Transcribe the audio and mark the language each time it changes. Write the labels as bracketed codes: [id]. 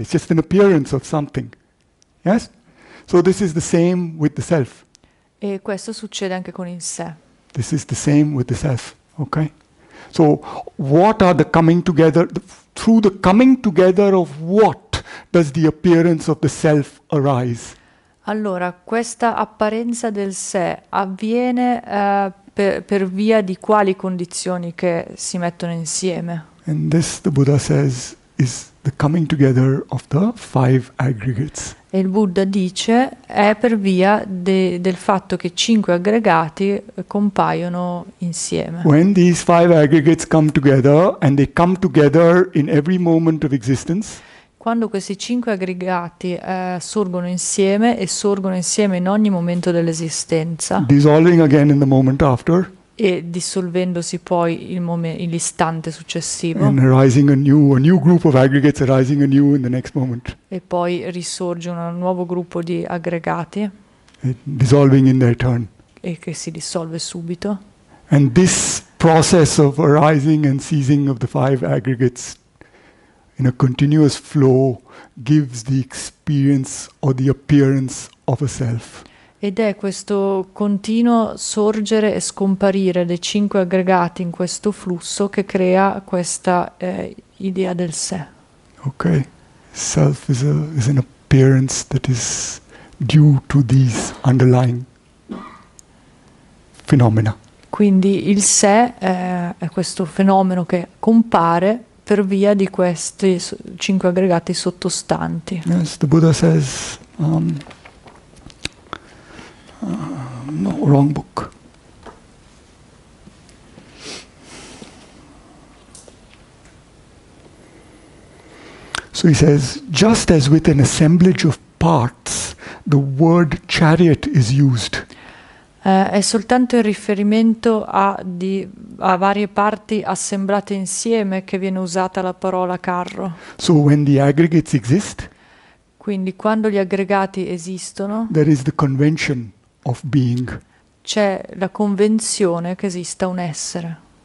[en] It's just an appearance of something. Yes? So this is the same with the self. [it] E questo succede anche con il sé. [en] This is the same with the self. Okay? So what are the coming together? Through the coming together of what does the appearance of the self arise? [it] Allora, questa apparenza del sé avviene per via di quali condizioni che si mettono insieme? [en] And this, the Buddha says, is the coming together of the five aggregates. [it] E il Buddha dice è per via del fatto che cinque aggregati compaiono insieme. [en] When these five aggregates come together, and they come together in every moment of existence, [it] Quando questi cinque aggregati sorgono insieme e sorgono insieme in ogni momento dell'esistenza [en] dissolving again in the moment after, [it] e dissolvendosi poi l'istante [en] and [it] successivo, [en] arising a new group of aggregates arising anew in the next moment, [it] e poi risorge un nuovo gruppo di aggregati e [en] dissolving in their turn. [it] che si dissolve subito. [en] And this process of arising and ceasing of the five aggregates in a continuous flow gives the experience or the appearance of a self. [it] Ed è questo continuo sorgere e scomparire dei cinque aggregati in questo flusso che crea questa idea del sé. [en] Okay, self is an appearance that is due to these underlying phenomena. [it] Quindi il sé è questo fenomeno che compare per via di questi cinque aggregati sottostanti. [en] Yes, the Buddha says, no, wrong book. So he says, just as with an assemblage of parts, the word chariot is used. [it] È soltanto il riferimento a varie parti assemblate insieme che viene usata la parola carro. [en] So when the aggregates exist, [it] Quindi quando gli aggregati esistono, [en] there is the convention of being. [it] c'è la convenzione che esista un essere.